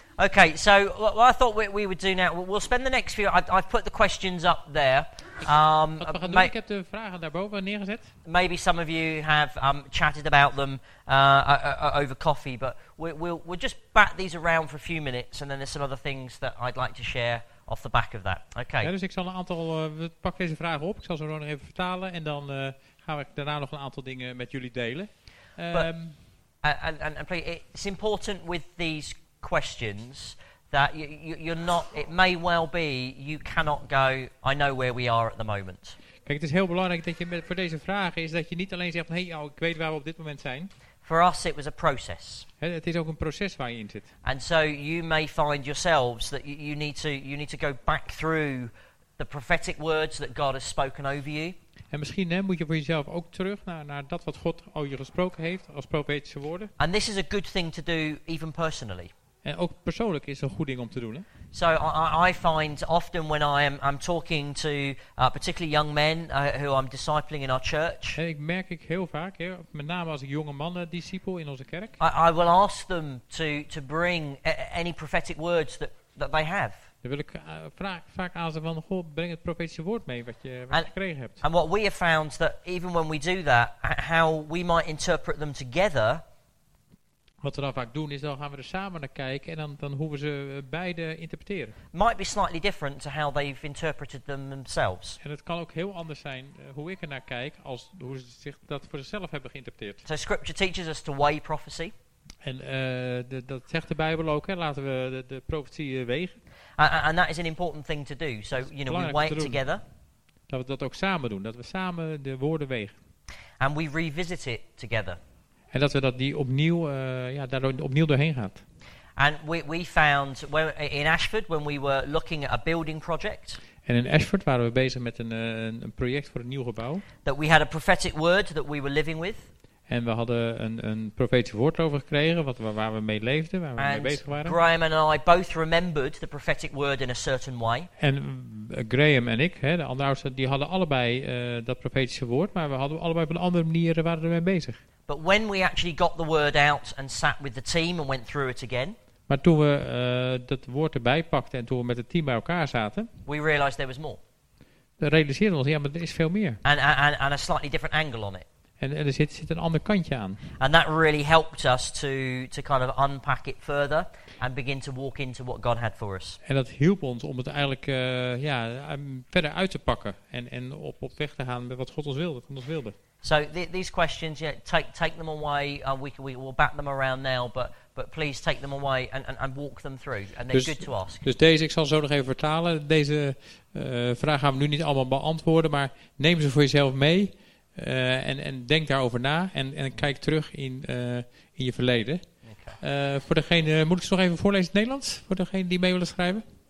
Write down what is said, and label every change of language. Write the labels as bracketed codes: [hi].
[en] Okay, so what I thought we would do now, we'll spend the next few, I've put the questions up there. [nl] Ik heb de vragen daarboven neergezet. [en] Maybe some of you have chatted about them over coffee, but we'll just bat these around for a few minutes, and then there's some other things that I'd like to share off the back of that. Okay. [nl] Ja, dus ik zal een aantal, pak deze vragen op, ik zal ze nog even vertalen, en dan ga ik daarna nog een aantal dingen met jullie delen. [en] And please, it's important with these questions that you're not, it may well be you cannot go, I know where we are at the moment. [nl] Kijk, het is heel belangrijk dat je voor deze vragen is dat je niet alleen zegt, hey, oh, ik weet waar we op dit moment zijn. [en] For us it was a process. [nl] Het is ook een proces waar je in zit. [en] And so you may find yourselves that you need to go back through the prophetic words that God has spoken over you. [nl] En misschien hè, moet je voor jezelf ook terug naar dat wat God over je gesproken heeft als profetische woorden. [en] And this is a good thing to do even personally. [nl] En ook persoonlijk is het een goed ding om te doen. Hè? [en] So I find often when I'm talking to particularly young men who I'm discipling in our church. [nl] En ik merk ik heel vaak, hè, met name als ik jonge mannen discipel in onze kerk. [en] I will ask them to bring any prophetic words that they have. [nl] Dan wil ik vaak aan ze van, goh, breng het profetische woord mee wat je gekregen hebt. [en] And what we have found that even when we do that, how we might interpret them together. [nl] Wat we dan vaak doen is dan gaan we er samen naar kijken en dan hoeven ze beide interpreteren. [en] Might be slightly different to how they've interpreted them themselves. [nl] En het kan ook heel anders zijn hoe ik er naar kijk als hoe ze zich dat voor zichzelf hebben geïnterpreteerd. [en] So scripture teaches us to weigh prophecy. [nl] En dat zegt de Bijbel ook, hè? Laten we de profetie wegen. [en] And that is an important thing to do. So, you know, we weigh it together. [nl] Dat we dat ook samen doen. Dat we samen de woorden wegen. [en] And we revisit it together. [nl] En dat we dat die opnieuw, daar opnieuw doorheen gaan. [en] And we found in Ashford, when we were looking at a building project. [nl] En in Ashford waren we bezig met een project voor een nieuw gebouw. [en] That we had a prophetic word that we were living with. [nl] En we hadden een profetisch woord over gekregen, waar we mee leefden, waar we [en] and [nl] mee bezig waren. [en] Graham and I both remembered the prophetic word in a certain way. [nl] En Graham en ik, hè, de andere oudste, die hadden allebei dat profetische woord, maar we hadden allebei op een andere manier waren er mee bezig. [en] But when we actually got the word out and sat with the team and went through it again. [nl] Maar toen we dat woord erbij pakten en toen we met het team bij elkaar zaten, [en] we realized there was more. [nl] We realiseerden ons, ja, maar er is veel meer. [en] And a slightly different angle on it. [nl] En er zit een ander kantje aan. [en] And that really helped us to kind of unpack it further and begin to walk into what God had for us. [nl] En dat hielp ons om het eigenlijk verder uit te pakken en op weg te gaan met wat God ons wilde. [en] So these questions, yeah, take them away. We will bat them around now, but please take them away and walk them through. And they're [nl] dus, [en] good to ask. [nl] Dus deze, ik zal zo nog even vertalen. Deze vraag gaan we nu niet allemaal beantwoorden, maar neem ze voor jezelf mee. En denk daarover na en kijk terug in je verleden. Okay. Voor degene, moet ik ze nog even voorlezen in het Nederlands? Voor degene die mee willen schrijven?